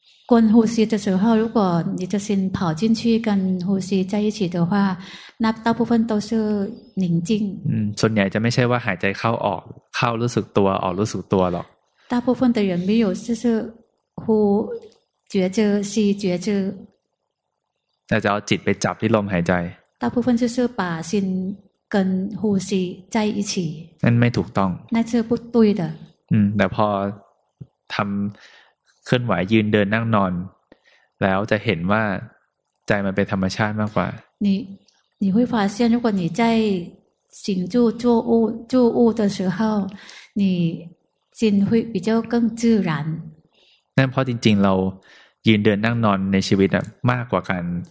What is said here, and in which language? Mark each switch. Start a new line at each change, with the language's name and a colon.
Chinese: 观呼吸的时候如果你的心跑进去跟呼吸在一起的话那大部分都是宁静
Thai: ส่วนใหญ่จะไม่ใช่ว่าหายใจเข้ารู้สึกตัวออกรู้สึกตัวหรอก
Chinese: 大部分的人没有就是呼觉知吸觉知
Thai: แต่จะเอาจิตไปจับที่ลมหายใจ
Chinese: 大部分就是把心跟呼吸在一起
Thai: นั่นไม่ถูกต้อง นั่นคือพูดตุ้ยเด้อแต่พอทำเคลื่อนไหวยืนเดินนั่งนอนแล้วจะเห็นว่าใจมันเป็นธรรมชาติมากกว่า
Chinese: 你会发现如果你在行住坐卧住卧的时候你心会比较更自然
Thai: นั่นเพราะจริงๆเรายืนเดินนั่งนอนในชีวิตมากกว่ากัน